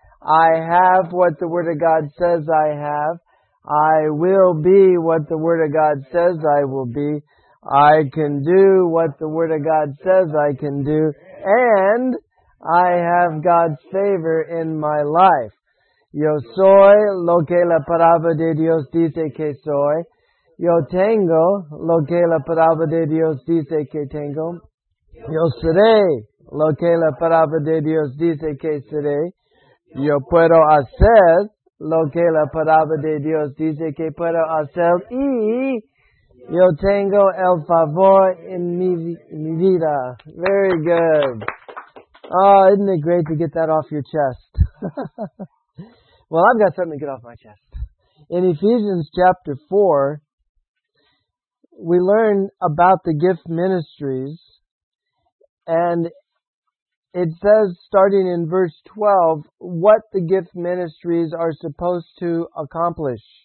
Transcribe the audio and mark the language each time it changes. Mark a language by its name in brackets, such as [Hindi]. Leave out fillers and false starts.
[English] I have what the Word of God says I have. I will be what the Word of God says I will be. I can do what the Word of God says I can do. And I have God's favor in my life. [Spanish] Yo soy lo que la palabra de Dios dice que soy. Yo tengo lo que la palabra de Dios dice que tengo. Yo seré lo que la palabra de Dios dice que seré. Yo puedo hacer lo que la palabra de Dios dice que puedo hacer. Y yo tengo el favor en mi vida. [English] Very good. Oh, isn't it great to get that off your chest? Well, I've got something to get off my chest. In Ephesians chapter 4, we learn about the gift ministries. And it says, starting in verse 12, what the gift ministries are supposed to accomplish.